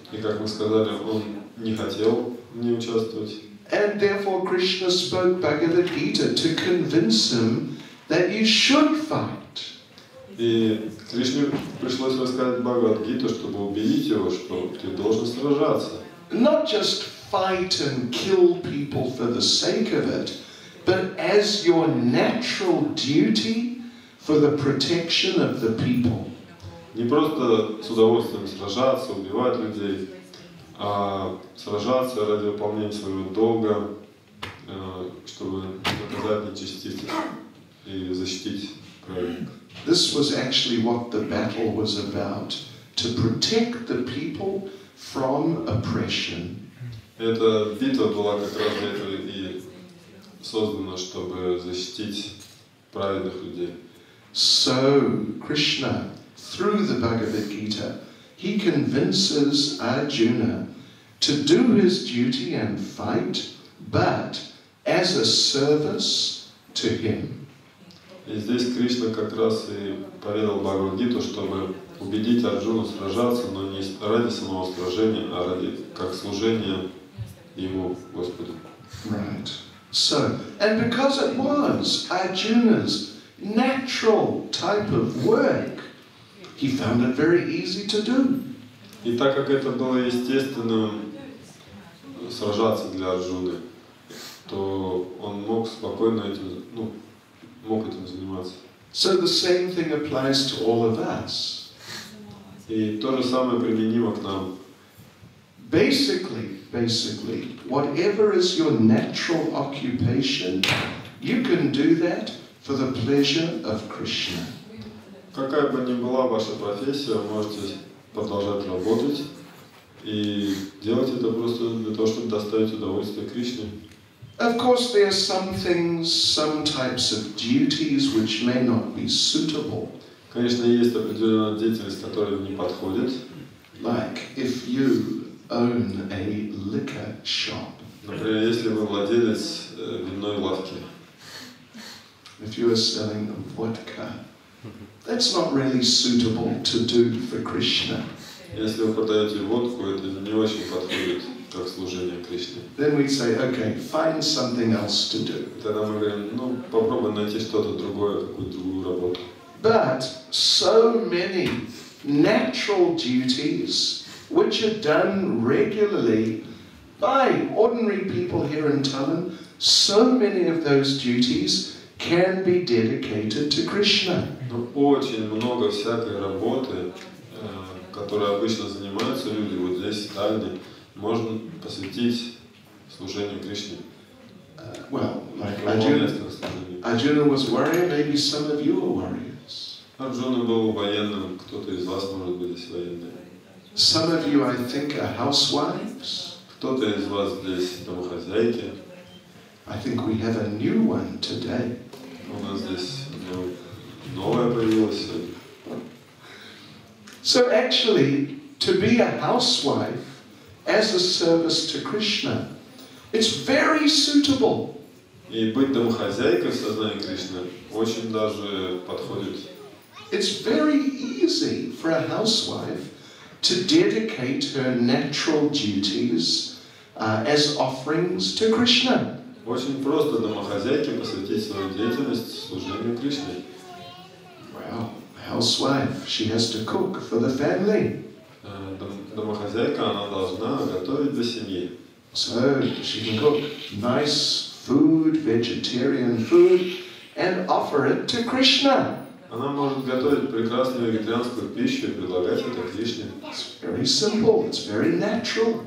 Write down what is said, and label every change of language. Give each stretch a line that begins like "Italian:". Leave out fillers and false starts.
Russian: И как мы сказали, он не хотел не участвовать.
English: And therefore Krishna spoke Bhagavad Gita to convince him that you should fight.
Russian: И Кришне пришлось рассказать Бхагавад Гиту, чтобы убедить его, что ты должен сражаться.
English: Not just fight and kill people for the sake of it, but as your natural duty for the protection of the people.
Russian: Не просто с удовольствием сражаться, убивать людей, а сражаться ради выполнения своего долга, чтобы доказать нечестивцев и защитить праведников.
English: This was actually what the battle was about, to protect the people from oppression.
Russian: Эта битва была как раз для этого и создана, чтобы защитить праведных людей.
English: So Krishna, through the Bhagavad Gita, he convinces Arjuna to do his duty and fight, but as a service to him.
Russian: И здесь Кришна как раз и поведал Бхагавад-гиту, чтобы убедить Арджуну сражаться, но не ради самого сражения, а ради как служения ему, Господу.
English: Right. So, and because it was Arjuna's natural type of work, he found it very easy to do.
Russian: И так как это было естественным сражаться для Арджуны, то он мог спокойно этим, ну, мог этим заниматься.
English: So the same thing applies to all of us.
Russian: И то же самое применимо к нам.
English: Basically, whatever is your natural occupation, you can do that for the pleasure of Krishna.
Russian: Какая бы ни была ваша профессия, можете продолжать работать и делать это просто для того, чтобы доставить удовольствие Кришне.
English: Of course, there are some things, some types of duties which may not be suitable.
Russian: Конечно, есть определенная деятельность, которая не подходит.
English: Like if you own a liquor shop.
Russian: Например, если вы владелец винной лавки.
English: If you are selling vodka, that's not really suitable to do for Krishna.
Russian: Если вы продаете водку, это не очень подходит как служение Кришне.
English: Then we say, okay, find something else to do.
Russian: Тогда мы говорим, ну попробуй найти что-то другое, какую-то другую работу.
English: But so many natural duties which are done regularly by ordinary people here in Tallinn, so many of those duties can be dedicated to Krishna.
Russian: Но очень много всякой работы, которой обычно занимаются люди вот здесь, в Тальне, можно посвятить служению Кришне.
English: Arjuna was warrior, maybe some of you are warriors.
Russian: Арджуна был военным, кто-то из вас может быть здесь военным.
English: Some of you, I think, are housewives.
Russian: Кто-то из вас здесь домохозяйки.
English: I think we have a new one today.
Russian: У нас здесь новое появилось.
English: So actually, to be a housewife as a service to Krishna, it's very suitable.
Russian: И быть домохозяйкой в сознании Кришны очень даже подходит.
English: It's very easy for a housewife to dedicate her natural duties as offerings to Krishna.
Russian: Очень просто домохозяйке посвятить свою деятельность служению Кришне.
English: Wow, housewife, she has to cook for the family.
Russian: Домохозяйка, она должна готовить для семьи.
English: So she can cook nice food, vegetarian food, and offer it to Krishna.
Russian: Она может готовить прекрасную вегетарианскую пищу и предлагать это Кришне.
English: It's very simple, it's very natural.